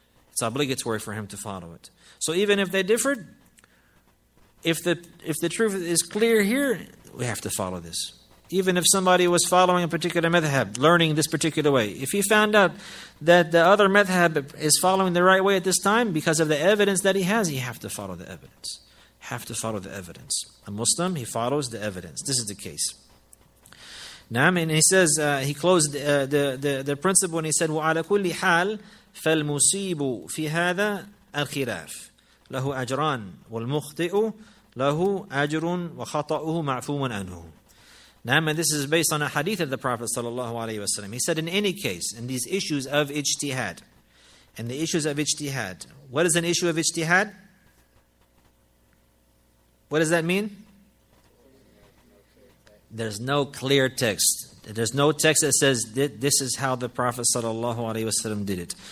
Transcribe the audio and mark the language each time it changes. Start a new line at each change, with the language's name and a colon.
English: It's obligatory for him to follow it. So even if they differed, if the truth is clear here, we have to follow this. Even if somebody was following a particular madhab, learning this particular way, if he found out that the other madhab is following the right way at this time, because of the evidence that he has, he have to follow the evidence. Have to follow the evidence. A Muslim, he follows the evidence. This is the case.
Arabic: Naam,
English: and he says, he closed the principle and he said,
Arabic: وَعَلَى كُلِّ حَالٍ فَالْمُصِيبُ فِي هَذَا الْخِلَافِ لَهُ أَجْرًا وَالْمُخْطِئُ لَهُ أَجْرٌ وَخَطَأُهُ مَعْفُومٌ أَنْهُ.
English: Naam, and this is based on a hadith of the Prophet sallallahu alayhi wa sallam. He said, in any case, in these issues of ijtihad, in the issues of ijtihad, what is an issue of ijtihad? What does that mean? There's no clear text. There's no text that says this is how the Prophet sallallahu alaihi wasallam did it.